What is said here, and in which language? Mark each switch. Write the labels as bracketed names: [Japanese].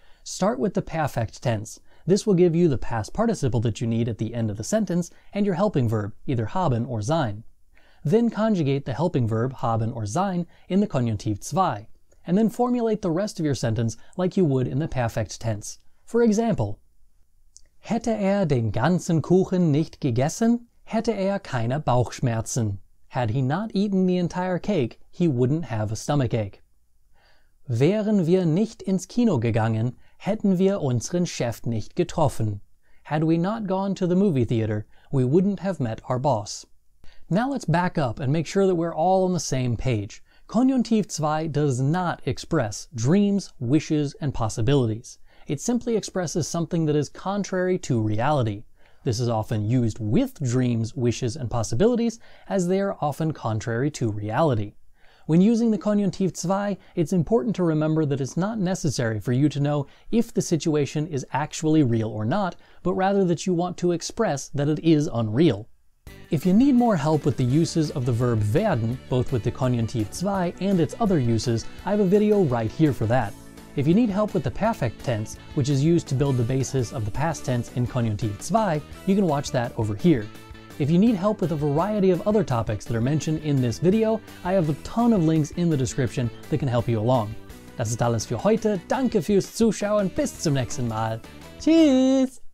[English] Start with the perfect tense. This will give you the past participle that you need at the end of the sentence and your helping verb, either haben or sein. Then conjugate the helping verb, haben or sein, in the Konjunktiv 2. And then formulate the rest of your sentence like you would in the perfect tense. For example, [German] hätte den ganzen Kuchen nicht gegessen, hätte keine Bauchschmerzen. [English] Had he not eaten the entire cake, he wouldn't have a stomachache. [German] Wären wir nicht ins Kino gegangen, hätten wir unseren Chef nicht getroffen. [English] Had we not gone to the movie theater, we wouldn't have met our boss. Now let's back up and make sure that we're all on the same page. Konjunktiv 2 does not express dreams, wishes, and possibilities. It simply expresses something that is contrary to reality. This is often used with dreams, wishes, and possibilities, as they are often contrary to reality. When using the Konjunktiv 2, it's important to remember that it's not necessary for you to know if the situation is actually real or not, but rather that you want to express that it is unreal. If you need more help with the uses of the verb werden, both with the Konjunktiv 2 and its other uses, I have a video right here for that. If you need help with the perfect tense, which is used to build the basis of the past tense in Konjunktiv 2, you can watch that over here. If you need help with a variety of other topics that are mentioned in this video, I have a ton of links in the description that can help you along. [German] Das ist alles für heute. Danke fürs Zuschauen. Bis zum nächsten Mal. Tschüss!